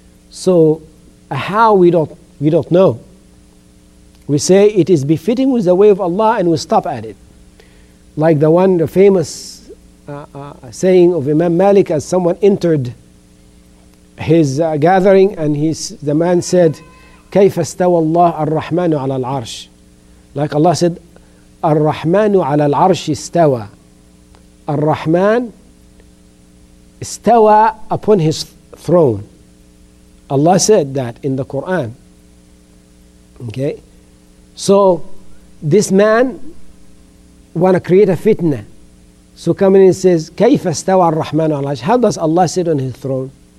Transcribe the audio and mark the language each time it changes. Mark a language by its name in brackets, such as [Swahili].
[English] So how, we don't know. We say it is befitting with the way of Allah and we stop at it. Like the one, the famous saying of Imam Malik, as someone entered his gathering and the man said, [Arabic] كيف استوى الله الرحمن على العرش. [English] Like Allah said, [Arabic] الرحمن على العرش استوى. الرحمن استوى [English] upon his throne. Allah said that in the Quran. Okay? So this man want to create a fitna. So coming in and says, [Arabic] كيف استوى الرحمن على العرش. [English] How does Allah sit on his throne?